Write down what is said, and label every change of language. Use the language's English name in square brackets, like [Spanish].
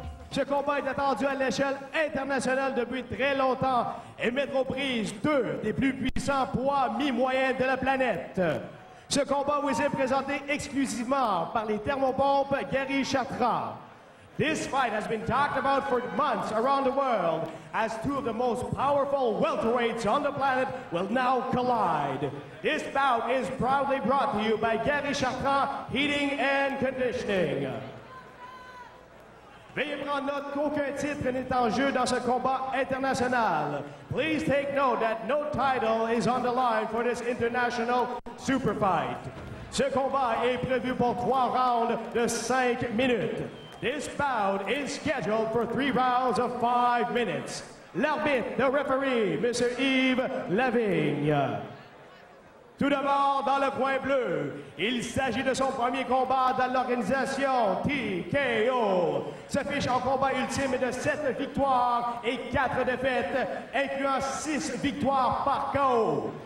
[French] Ce combat est attendu à l'échelle internationale depuis très longtemps et mettre aux prises deux des plus puissants poids mi-moyens de la planète. Ce combat vous est présenté exclusivement par les thermopompes Gary Chatra. [English] This fight has been talked about for months around the world as two of the most powerful welterweights on the planet will now collide. This bout is proudly brought to you by Gary Chartrand Heating and Conditioning. [French] Veuillez prendre note qu'aucun titre n'est en jeu dans ce combat international. [English] Please take note that no title is on the line for this international super fight. [French] Ce combat est prévu pour trois rounds de cinq minutes. [English] This bout is scheduled for three rounds of 5 minutes. [French] L'arbitre, [English] the referee, [French] Monsieur Yves Lavigne. Tout d'abord, dans le coin bleu, il s'agit de son premier combat dans l'organisation TKO. S'affiche en combat ultime de 7 victoires et 4 défaites, incluant 6 victoires par KO.